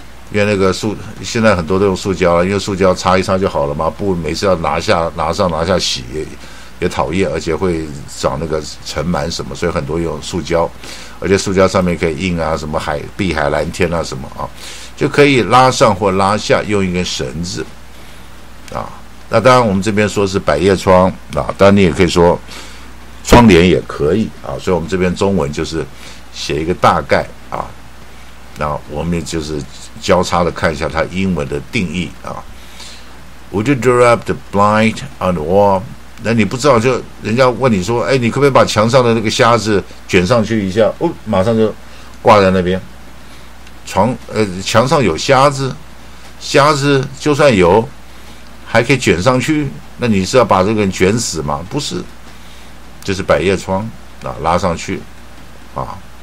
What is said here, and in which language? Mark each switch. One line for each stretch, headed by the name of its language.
Chinese: 因为那个塑现在很多都用塑胶了，因为塑胶擦一擦就好了嘛，布每次要拿下洗 也讨厌，而且会长那个尘螨什么，所以很多用塑胶，而且塑胶上面可以印啊什么海碧海蓝天啊什么啊，就可以拉上或拉下，用一根绳子啊。那当然我们这边说是百叶窗啊，当然你也可以说窗帘也可以啊，所以我们这边中文就是写一个大概啊，那我们就是交叉的看一下它英文的定义啊。
English: Would you draw up the blind on the wall？
Chinese: 那你不知道就人家问你说，哎，你可不可以把墙上的那个瞎子卷上去一下？哦，马上就挂在那边。墙上有瞎子就算有，还可以卷上去？那你是要把这个人卷死吗？不是，就是百叶窗啊，拉上去啊。